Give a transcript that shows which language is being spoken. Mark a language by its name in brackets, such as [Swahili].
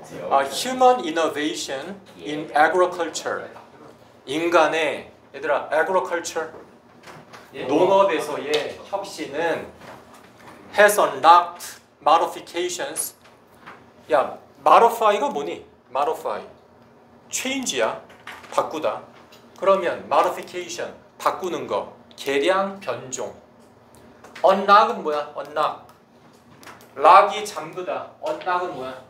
[English] 아, human innovation in agriculture. [Korean] 인간의, 얘들아, agriculture. 농업에서의 혁신은 [English] has unlocked modifications. [Korean] 야, modify가 뭐니? modify. change야, 바꾸다. 그러면 modification, 바꾸는 거, 계량, 변종. unlock은 뭐야? unlock. lock이 잠그다. unlock은 뭐야?